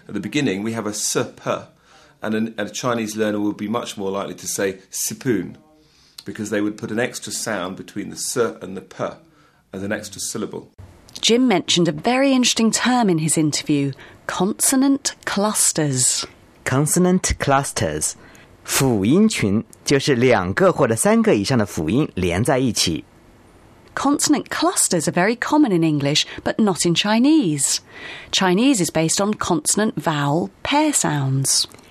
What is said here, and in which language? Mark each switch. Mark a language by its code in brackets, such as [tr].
[en] At the beginning, we have a s, p, and a Chinese learner would be much more likely to say sipoon, because they would put an extra sound between the s and the p as an extra syllable. Jim mentioned a very interesting term in his interview, consonant clusters. Consonant clusters. [zh] 辅音群就是两个或者三个以上的辅音连在一起。 [en] Consonant clusters are very common in English, but not in Chinese. Chinese is based on consonant-vowel pair sounds.